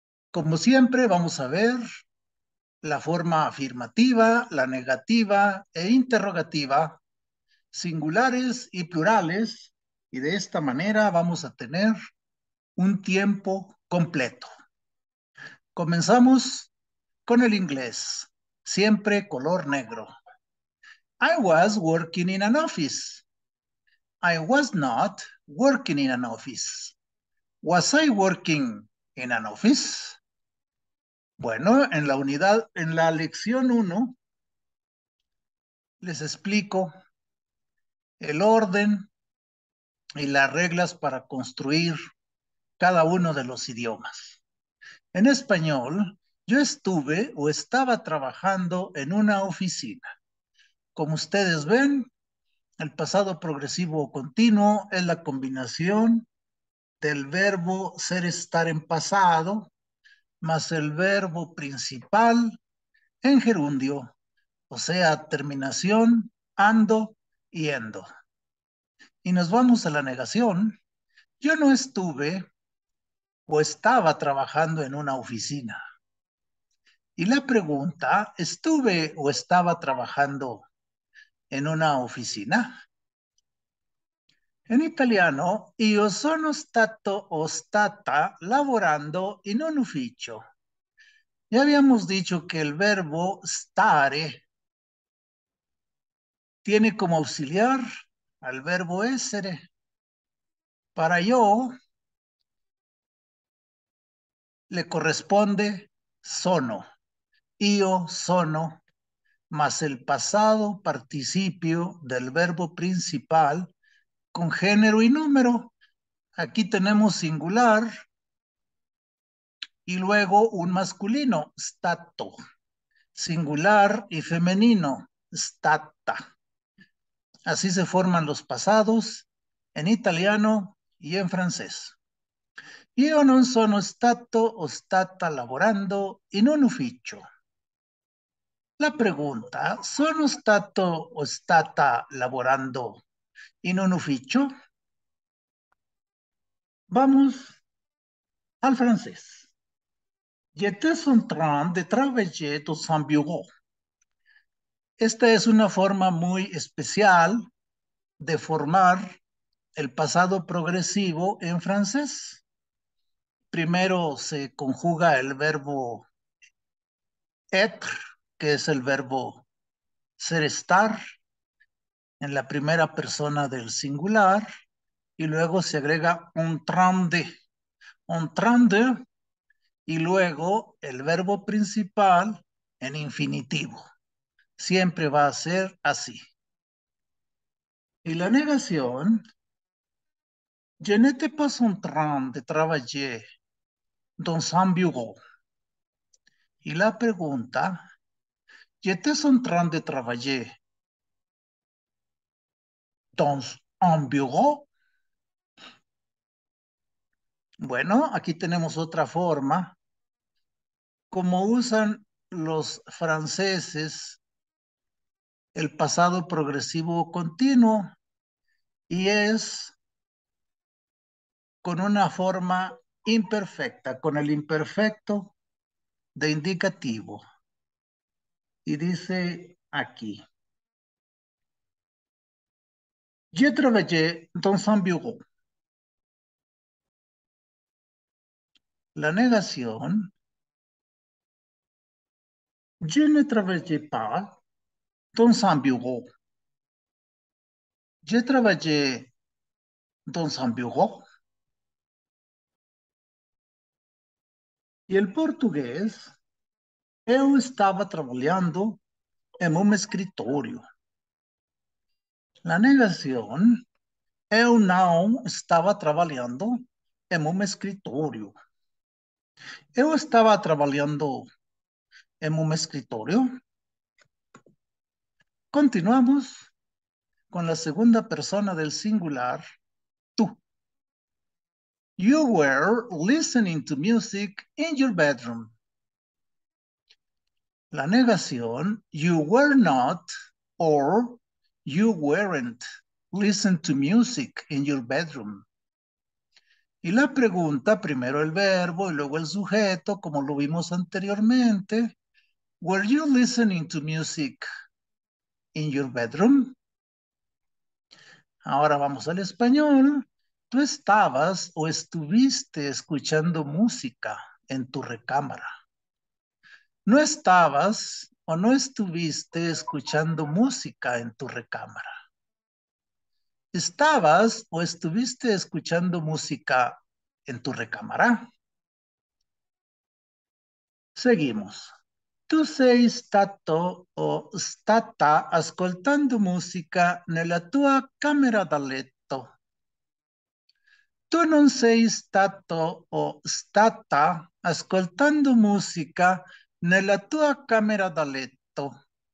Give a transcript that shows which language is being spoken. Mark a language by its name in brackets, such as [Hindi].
[Spanish] Como siempre, vamos a ver la forma afirmativa, la negativa e interrogativa, singulares y plurales, y de esta manera vamos a tener un tiempo completo. Comenzamos con el inglés, siempre color negro. [English] I was working in an office. I was not working in an office. Was I working in an office? [Spanish] Bueno, en la unidad, en la lección 1, les explico el orden y las reglas para construir cada uno de los idiomas. En español, yo estuve o estaba trabajando en una oficina. Como ustedes ven, el pasado progresivo o continuo es la combinación del verbo ser estar en pasado más el verbo principal en gerundio, o sea, terminación ando y endo. Y nos vamos a la negación. Yo no estuve o estaba trabajando en una oficina. Y la pregunta, ¿estuve o estaba trabajando en una oficina? En italiano, [Italian] io sono stato o stata lavorando in un ufficio. [Spanish] Ya habíamos dicho que el verbo stare tiene como auxiliar al verbo essere. Para yo le corresponde sono, io sono, más el pasado participio del verbo principal con género y número. Aquí tenemos singular y luego un masculino, stato, singular y femenino, stata. Así se forman los pasados en italiano y en francés. [Italian] Io non sono stato o stata lavorando in un ufficio. [Spanish] La pregunta, [Italian] ¿sono stato o stata lavorando in un ufficio? [Spanish] Vamos al francés. [French] J'étais en train de travailler dans un bureau. [Spanish] Esta es una forma muy especial de formar el pasado progresivo en francés. Primero se conjuga el verbo être, que es el verbo ser estar, en la primera persona del singular, y luego se agrega un train de, y luego el verbo principal en infinitivo. Siempre va a ser así. Y la negación, [French] je n'étais pas en train de travailler dans un bureau. [Spanish] Y la pregunta, [French] ¿j'étais en train de travailler dans un bureau? [Spanish] Bueno, aquí tenemos otra forma. Como usan los franceses el pasado progresivo continuo, y es con una forma imperfecta, con el imperfecto de indicativo. Y dice aquí: [French] Je travaillé dans un bureau. [Spanish] La negación: [French] Je ne travaillé pas dans un bureau. Je travaillé dans un bureau. [Spanish] Y el portugués: [Portuguese] Eu estaba trabalhando en un escritorio. [Spanish] La negación: [Portuguese] Eu não estava trabalhando em um escritório. Eu estava trabalhando em um escritório. Continuamos com a segunda [Spanish] persona del singular, [Portuguese] tu. [English] You were listening to music in your bedroom. [Spanish] La negación: [English] You were not, or you weren't, listen to music in your bedroom. [Spanish] Y la pregunta, primero el verbo y luego el sujeto, como lo vimos anteriormente. Were you listening to music in your bedroom? Ahora vamos al español. ¿Tú estabas o estuviste escuchando música en tu recámara? No estabas o no estuviste escuchando música en tu recámara. ¿Estabas o estuviste escuchando música en tu recámara? Seguimos. [Italian] ¿Tú sei stato o stata ascoltando música nella tua camera da letto? ¿Tú non sei stato o stata ascoltando música nella tua camera da letto?